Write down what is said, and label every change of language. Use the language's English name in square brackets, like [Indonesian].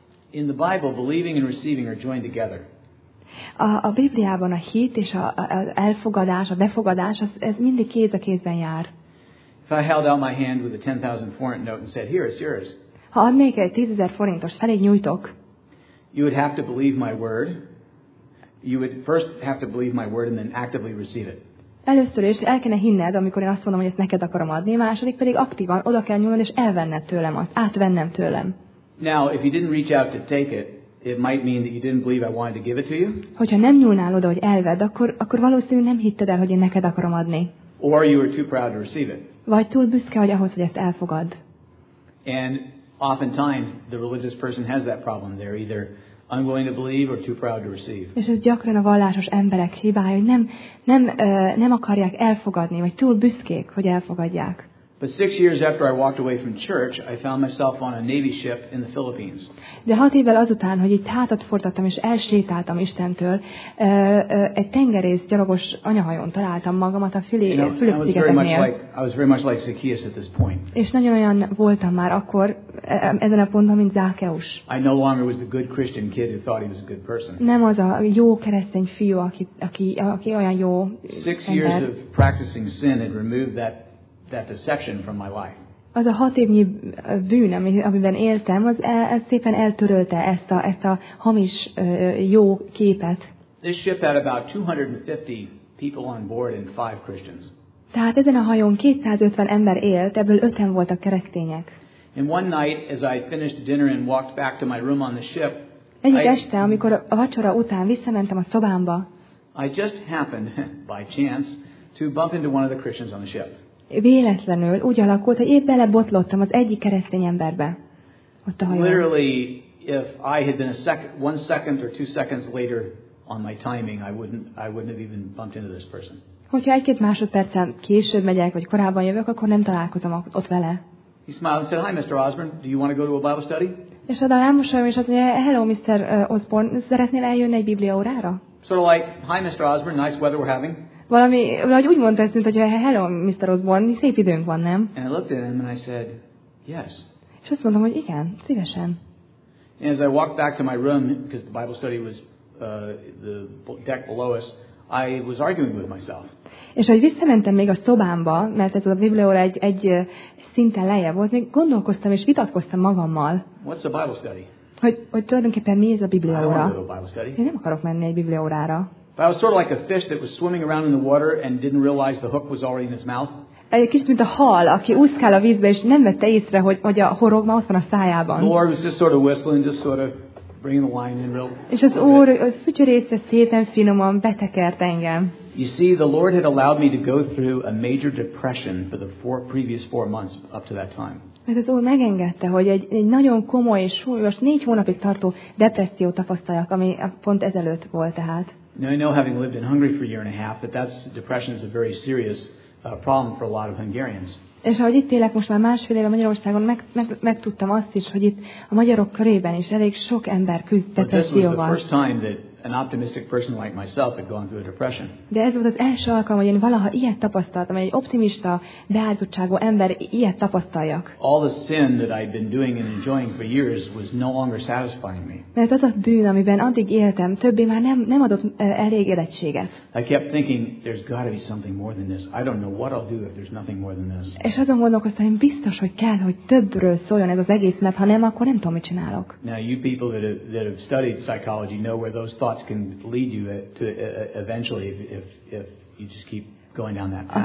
[English] In the Bible, believing and receiving are joined together. [Hungarian] A Bibliában a hit és az elfogadás, a befogadás, ez mindig kéz a kézben jár. [English] If I held out my hand with a 10,000 forint note and said, "Here, it's yours." [Hungarian] Ha adnék egy 10,000 forintos, felé nyújtok. [English] You would have to believe my word. You would first have to believe my word and then actively receive it. [Hungarian] Először is el kellene hinned, amikor én azt mondom, hogy ezt neked akarom adni, második pedig aktívan oda kell nyúlnod és elvenned tőlem azt, átvennem tőlem. [English] Now, if you didn't reach out to take it, it might mean that you didn't believe I wanted to give it to you. [Hungarian] Hogyha nem nyúlnál oda, hogy elvedd, akkor valószínűleg nem hitted el, hogy én neked akarom adni. [English] Or you were too proud to receive it. [Hungarian] Vagy túl büszke vagy ahhoz, hogy ezt elfogad. [English] And oftentimes the religious person has that problem. They're either unwilling to believe or too proud to receive. [Hungarian] És ez gyakran a vallásos emberek hibája, hogy nem akarják elfogadni, vagy túl büszkék, hogy elfogadják. [English] But 6 years after I walked away from church, I found myself on a Navy ship in the Philippines. [Hungarian] De 6 évvel azután, hogy itt hátat fordítottam és elsétáltam Istentől, egy tengerész gyalogos anyahajón találtam magamat a Fülöp-szigeteknél. [English] I was very much like Zacchaeus at this point. [Hungarian] És nagyon olyan voltam már akkor ezen a ponton, mint Zákeus. [English] I no longer was the good Christian kid who thought he was a good person. [Hungarian] Nem az a jó keresztény fiú, aki olyan jó. [English] 6 years of practicing sin had removed that deception from my life. [Hungarian] Az a 6 évnyi bűn, amiben éltem, az szépen eltörölte ezt a hamis jó képet. [English] This ship had about 250 people on board and 5 Christians. [Hungarian] Tehát ezen a hajón 250 ember élt, ebből 5-en voltak keresztények. [English] And one night as I finished dinner and walked back to my room on the ship, [Hungarian] egyik este, amikor a vacsora után visszamentem a szobámba, [English] I just happened by chance to bump into one of the Christians on the ship. [Hungarian] Véletlenül úgy alakult, hogy épp belebotlottam az egyik keresztény emberbe. Ott a hajón. [English] Literally, if I had been one second or 2 seconds later on my timing, I wouldn't have even bumped into this person. [Hungarian] Hogyha egy-két másodpercen később megyek, vagy korábban jövök, akkor nem találkozom ott vele. [English] He smiled and said, "Hi, Mr. Osborne, do you want to go to a Bible study?" [Hungarian] És oda elmosolyom, és azt mondja, hello, Mr. Osborne, szeretnél eljönni egy bibliaórára? [English] Sort of like, hi, Mr. Osborne, nice weather we're having. [Hungarian] Valami, vagy úgy mondta ezt, mintha, hello, Mr. Osborne, szép időnk van, nem? [English] And I looked at him, and I said, yes. [Hungarian] És azt mondtam, hogy igen, szívesen. [English] And as I walked back to my room, because the Bible study was the deck below us, I was arguing with myself. [Hungarian] És ahogy visszamentem még a szobámba, mert ez a bibliaóra egy szinten lejjebb volt, még gondolkoztam és vitatkoztam magammal. [English] What's a Bible study? [Hungarian] Hogy tulajdonképpen mi ez a bibliaóra? [English] I don't want to go to Bible study. [Hungarian] Én nem akarok menni egy bibliaórára. [English] I was sort of like a fish that was swimming around in the water and didn't realize the hook was already in his mouth. [Hungarian] Egy kicsit, mint a hal, aki úszkál a vízbe és nem vette észre, hogy a horog már ott van a szájában. [English] The Lord was just sort of whistling, just sort of bringing the line in real. [Hungarian] És az Úr fütyörészre szépen finoman betekert engem. [English] You see, the Lord had allowed me to go through a major depression for the previous four months up to that time. [Hungarian] Mert az Úr megengedte, hogy egy nagyon komoly és súlyos 4 hónapig tartó depresszió tapasztaljak, ami pont ezelőtt volt tehát. [English] Now I know, having lived in Hungary for a year and a half, that depression is a very serious problem for a lot of Hungarians. [Hungarian] És ahogy itt élek most már másfél éve Magyarországon, megtudtam azt is, hogy itt a magyarok körében is elég sok ember küzd depresszióval. [English] First time that an optimistic person like myself had gone through a depression. [Hungarian] De ez volt az első alkalom, hogy én valaha ilyet tapasztaltam, hogy egy optimista, beáldottságú ember ilyet tapasztaljak. [English] All the sin that I'd been doing and enjoying for years was no longer satisfying me. [Hungarian] Mert az a bűn, amiben addig éltem, többé már nem adott elég elégedettséget. [English] I kept thinking, there's got to be something more than this. I don't know what I'll do if there's nothing more than this. [Hungarian] És azon gondolkoztam, hogy biztos, hogy kell, hogy többről szóljon ez az egész, mert ha nem, akkor nem tudom, mit csinálok. [English] Now you people that have studied psychology know where those thoughts can lead you to eventually if you just keep going down that path.